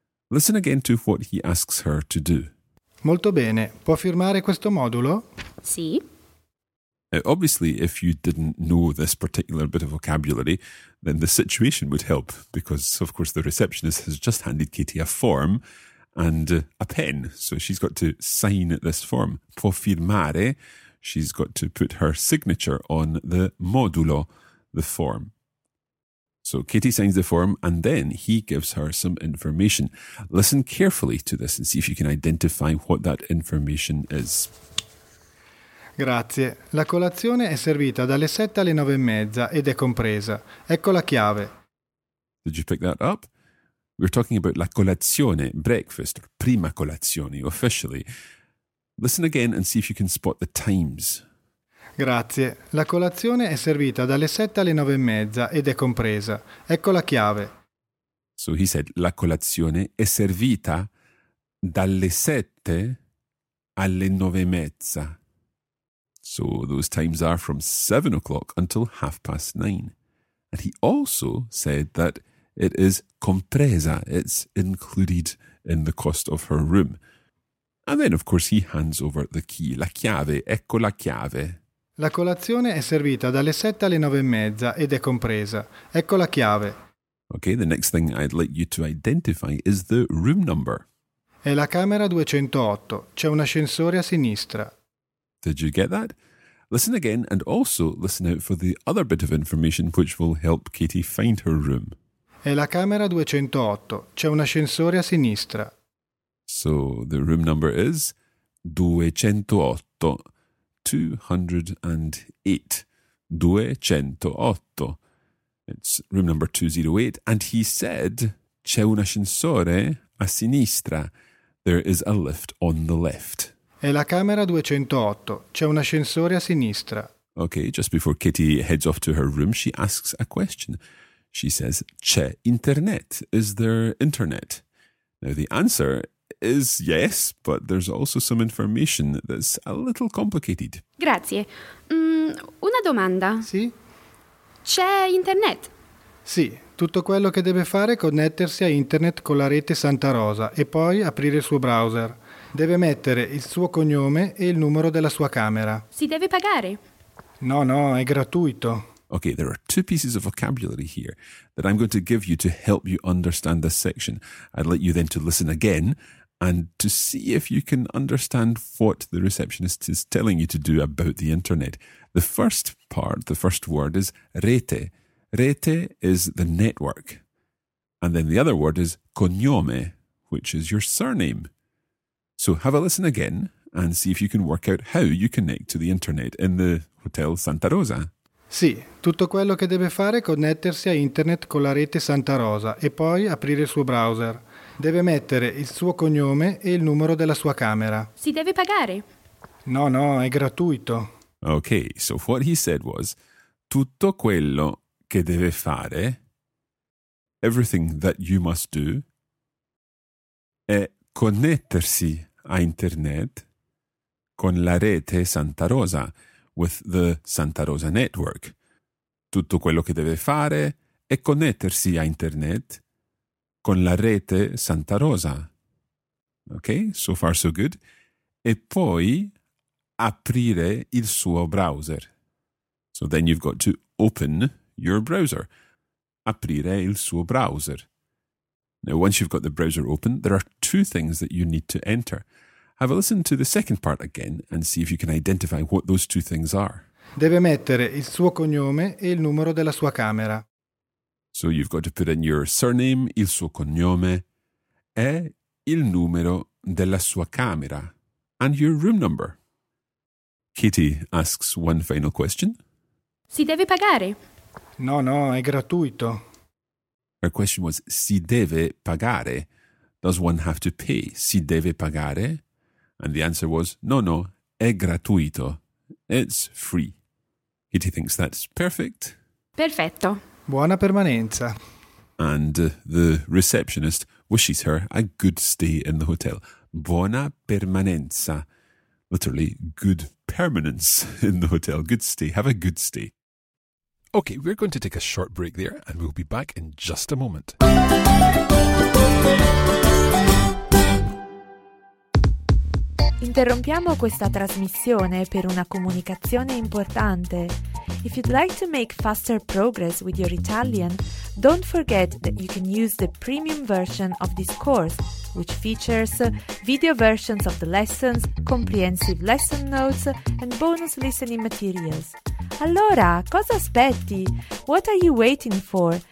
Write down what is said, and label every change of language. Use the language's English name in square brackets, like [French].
[English] Listen again to what he asks her to do. [Italian] Molto bene, può firmare questo modulo? Sì. [English] Obviously, if you didn't know this particular bit of vocabulary, then the situation would help because, of course, the receptionist has just handed Katie a form and a pen. So she's got to sign this form. [Italian] Può firmare, [English] she's got to put her signature on the modulo, the form. So Katie signs the form and then he gives her some information. Listen carefully to this and see if you can identify what that information is. [Italian] Grazie. La colazione è servita dalle 7 alle 9 e mezza ed è compresa. Ecco la chiave. [English] Did you pick that up? We're talking about la colazione, breakfast, or [Italian] prima colazione, [English] officially. Listen again and see if you can spot the times. [Italian] Grazie. La colazione è servita dalle 7 alle 9 e mezza ed è compresa. Ecco la chiave. [English] So he said, [Italian] la colazione è servita dalle 7 alle 9 e mezza. [English] So those times are from 7 o'clock until 9:30. And he also said that it is compresa, it's included in the cost of her room. And then, of course, he hands over the key, la chiave, [Italian] ecco la chiave. La colazione è servita dalle 7 alle 9 e mezza ed è compresa, ecco la chiave. [English] Okay, the next thing I'd like you to identify is the room number. [Italian] È la camera 208, c'è un ascensore a sinistra. [English] Did you get that? Listen again and also listen out for the other bit of information which will help Katie find her room. [Italian] È la camera 208. C'è un ascensore a sinistra. [English] So the room number is 208. 208. 208. It's room number 208. And he said, [Italian] c'è un ascensore a sinistra. [English] There is a lift on the left. [Italian] È la camera 208. C'è un ascensore a sinistra. [English] Okay, just before Katie heads off to her room, she asks a question. She says, [Italian] c'è internet? [English] Is there internet? Now, the answer is yes, but there's also some information that's a little complicated. [Italian] Grazie. Una domanda. Sì? C'è internet? Sì. Tutto quello che deve fare è connettersi a internet con la rete Santa Rosa e poi aprire il suo browser. Deve mettere il suo cognome e il numero della sua camera. Si deve pagare? No, no, è gratuito. [English] Okay, there are two pieces of vocabulary here that I'm going to give you to help you understand this section. I'd like you then to listen again and to see if you can understand what the receptionist is telling you to do about the internet. The first part, the first word is rete. Rete is the network. And then the other word is cognome, which is your surname. So have a listen again and see if you can work out how you connect to the internet in the Hotel Santa Rosa. [Italian] Sì, tutto quello che deve fare è connettersi a internet con la rete Santa Rosa e poi aprire il suo browser. Deve mettere il suo cognome e il numero della sua camera. Si deve pagare? No, no, è gratuito. [English] Ok, so what he said was, [Italian] tutto quello che deve fare, [English] everything that you must do, [Italian] è connettersi a internet con la rete Santa Rosa, [English] with the Santa Rosa network. [Italian] Tutto quello che deve fare è connettersi a internet con la rete Santa Rosa. [English] Ok, so far so good. [Italian] E poi aprire il suo browser. [English] So then you've got to open your browser. [Italian] Aprire il suo browser. [English] Now, once you've got the browser open, there are two things that you need to enter. Have a listen to the second part again and see if you can identify what those two things are. [Italian] Deve mettere il suo cognome e il numero della sua camera. [English] So you've got to put in your surname, [Italian] il suo cognome, e il numero della sua camera, [English] and your room number. Katie asks one final question. [Italian] Si deve pagare? No, no, è gratuito. [English] Her question was, [Italian] si deve pagare? [English] Does one have to pay? [Italian] Si deve pagare? [English] And the answer was, [Italian] no, no, è gratuito. [English] It's free. Katie thinks that's perfect. [Italian] Perfetto. Buona permanenza. [English] And the receptionist wishes her a good stay in the hotel. [Italian] Buona permanenza. [English] Literally, good permanence in the hotel. Good stay. Have a good stay. Okay, we're going to take a short break there and we'll be back in just a moment. [Italian] Interrompiamo questa trasmissione per una comunicazione importante. [English] If you'd like to make faster progress with your Italian, don't forget that you can use the premium version of this course, which features video versions of the lessons, comprehensive lesson notes, and bonus listening materials. [Italian] Allora, cosa aspetti? [English] What are you waiting for?